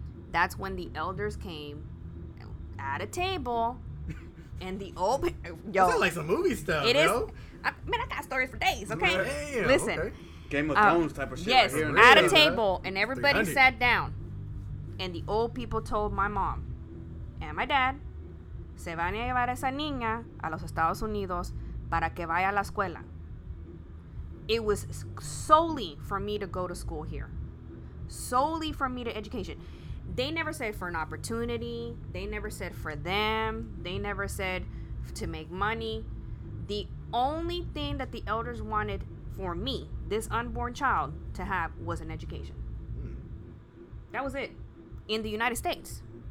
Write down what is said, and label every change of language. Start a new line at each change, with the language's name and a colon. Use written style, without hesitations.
English: That's when the elders came at a table. And the old, yo. It's like some movie stuff, it bro. Is, I got stories for days, okay? Damn, listen. Okay. Game of Thrones type of shit. Yes, right here. At a table, and everybody sat down. And the old people told my mom and my dad,
Spanish: se van a llevar a esa niña a los Estados Unidos para que vaya a la escuela.
English: It was solely for me to go to school here. Solely for me to education. They never said for an opportunity. They never said for them. They never said to make money. The only thing that the elders wanted for me, this unborn child, to have was an education. That was it. In the United States.